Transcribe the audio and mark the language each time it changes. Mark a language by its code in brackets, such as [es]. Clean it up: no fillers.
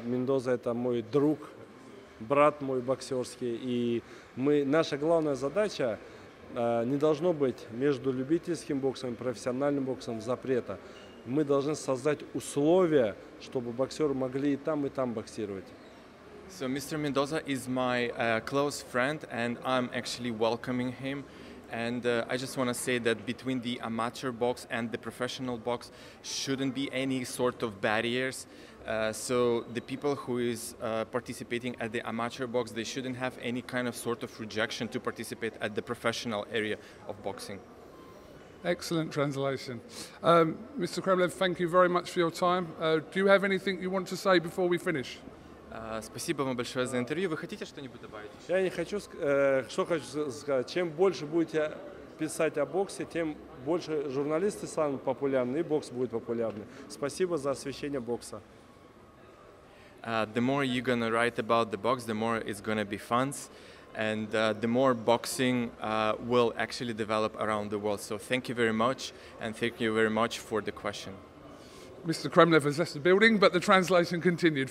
[ru] Мендоза – это мой друг, брат мой боксерский. И наша главная задача не должно быть между любительским боксом и профессиональным боксом запрета. Мы должны создать условия, чтобы боксеры могли и там боксировать. [en] So Mr. Mendoza is my close friend, and I'm actually welcoming him. And I just want to say that between the amateur box and the professional box shouldn't be any sort of barriers. So the people who is participating at the amateur box, they shouldn't have any kind of sort of rejection to participate at the professional area of boxing. Excellent translation. Mr. Kremlev, thank you very much for your time. Do you have anything you want to say before we finish? [ru] Спасибо вам большое за интервью. Вы хотите что-нибудь добавить? Я не хочу, что хочу сказать. Чем больше будете писать о боксе, тем больше журналисты станут популярны, и бокс будет популярный. Спасибо за освещение бокса. [en] The more you're going to write about the box, the more it's going to be fun, and the more boxing will actually develop around the world. So thank you very much, and thank you very much for the question. Mr. Kremlev has left the building, but the translation continued.